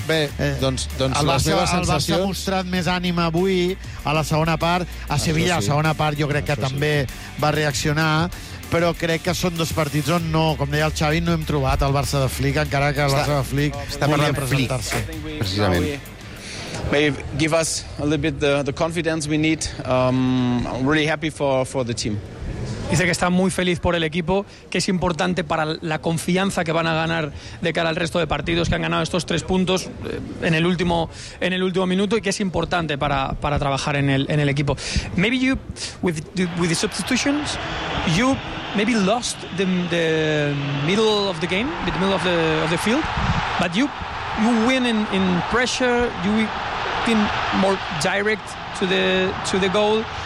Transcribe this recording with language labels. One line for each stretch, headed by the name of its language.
Catalan: Bé, doncs les meves sensacions... El Barça ha mostrat més ànima avui a la segona part. A Sevilla, a la segona part, jo crec que també va reaccionar. Però crec que són dos partits on no, com deia el Xavi, no hem trobat el Barça de Flick, encara que el Barça de Flick està parlant presentar-se. Precisament.
English: May give us a little bit the confidence we need. I'm really happy for the team.
Spanish: Dice que está muy feliz por el equipo, que es importante para la confianza que van a ganar de cara al resto de partidos, que han ganado estos 3 puntos en el último minuto y que es importante para trabajar en el equipo.
English: Maybe you with the substitutions, you maybe lost the middle of the game, the middle of the field, but you win in pressure, you win more direct to the goal.